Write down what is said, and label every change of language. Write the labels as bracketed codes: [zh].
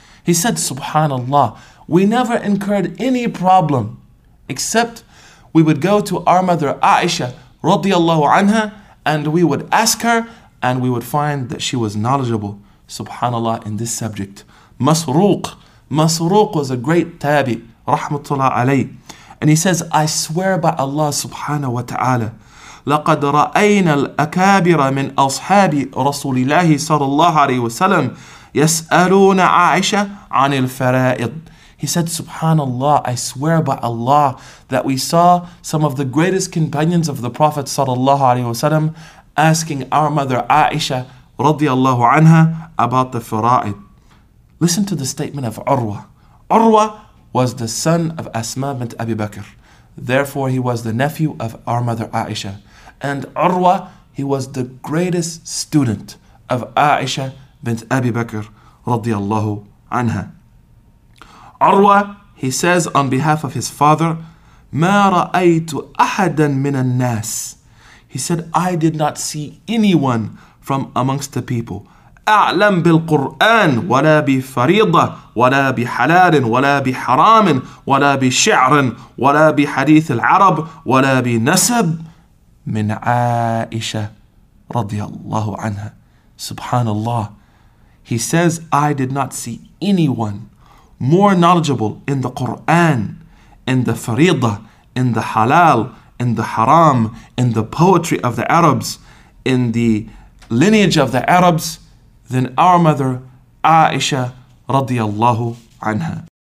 [en] He said, Subhanallah, we never incurred any problem, except we would go to our mother Aisha radiallahu anha, and we would ask her, and we would find that she was knowledgeable, subhanallah, in this subject. Masruq was a great tabi, rahmatullah alayh. And he says, I swear by Allah subhanahu wa ta'ala, [ar] لَقَدْ رَأَيْنَا الْأَكَابِرَ مِنْ أَصْحَابِ رَسُولِ اللَّهِ صَلَى اللَّهُ عَلَيْهِ وَسَلَمْ يَسْأَلُونَ عَائِشَ عَنِ الْفَرَائِضِ. [en] He said, Subhanallah, I swear by Allah that we saw some of the greatest companions of the Prophet sallallahu alayhi wasallam asking our mother Aisha radiallahu anha about the fara'id. Listen to the statement of Urwa. Urwa was the son of Asma bint Abi Bakr. Therefore, he was the nephew of our mother Aisha. And Urwa, he was the greatest student of Aisha bint Abi Bakr radiallahu anha. عروة, he says on behalf of his father, [ar] ما رأيت أحدا من الناس. [en] He said, I did not see anyone from amongst the people. [ar] أعلم بالقرآن ولا بفريضة ولا بحلال ولا بحرام ولا بشعر ولا بحديث العرب ولا بنسب من عائشة رضي الله عنها. سبحان الله. [en] He says, I did not see anyone more knowledgeable in the Qur'an, in the Fariḍa, in the Halal, in the Haram, in the poetry of the Arabs, in the lineage of the Arabs, than our mother Aisha radiallahu anha.